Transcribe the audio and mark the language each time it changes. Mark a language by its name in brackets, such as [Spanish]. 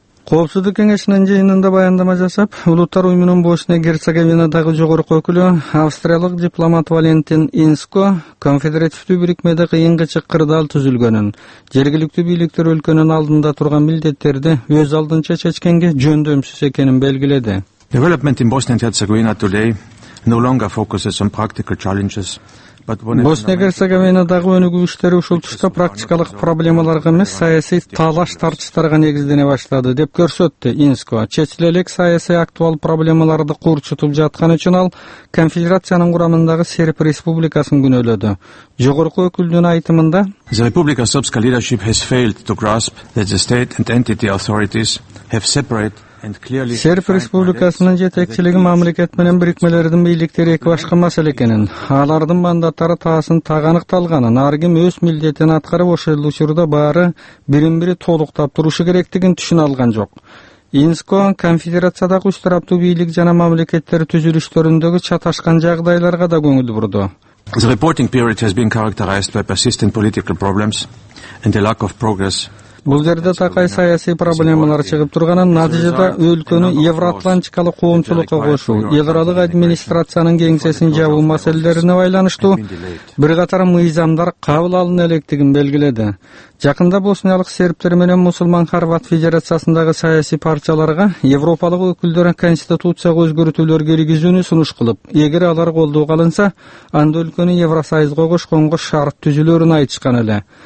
[Kyrgyz] Коопсуздук кеңешинин жыйынында баяндама жасап, Улуттар уюмунун Босния Герцеговинадагы жогорку өкүлү австриялык дипломат Валентин Инско конфедеративдүү бирикмеде кыйынга чыккырдал түзүлгөнүн, жергиликтүү бийликтер өлкөнүн алдында турган милдеттерди өз алдынча чечкенге жөндөмсүз экенин белгиледи. [English] Development in Bosnia and Herzegovina today no longer focuses on practical challenges. [Kyrgyz] Босния Герцеговинадагы өнүгүү иштери ушул тушта практикалык проблемаларга эмес, саясий талаш тартыштарга негиздене баштады деп көрсөттү Инско. Чечиле элек саясий актуал проблемаларды курчутуп жаткан үчүн ал конфедерациянын курамындагы Серб Республикасын күнөлөдү. Жогорку өкүлдүн айтымында [English] The Republic of Srpska leadership has failed to grasp that the state and entity authorities have separate [Kyrgyz] Серб Республикасынын жетекчилиги мамлекет менен бирикмелердин бийликтери эки башка маселе экенин, алардын мандаттары таасын тагы аныкталганын, ар ким өз милдетин аткарып ошол учурда баары бирин бири толуктап турушу керектигин түшүнө алган жок. Инско конфедерациядагы үч тараптуу бийлик жана мамлекеттер түзүлүштөрүндөгү чаташкан жагдайларга да көңүл бурду. [English] The reporting period has been characterized by persistent political problems and a lack of progress. [Kyrgyz] Бул жерде такай саясий проблемалар чыгып турганын, натыйжада өлкөнү евроатлантикалык коомчулукка кошуу, эларалык администрациянын кеңсесин жабуу маселелерине байланыштуу бир катар мыйзамдар кабыл алына электигин белгиледи. Жакында босниялык сербтер менен мусулман хорват федерациясындагы саясий партияларга европалык өкүлдөр конституцияга өзгөртүүлөр киргизүүнү сунуш кылып, эгер алар колдоо алынса, анда өлкөнү Евросоюзга кошконго шарт түзүлөрүн айтышкан эле.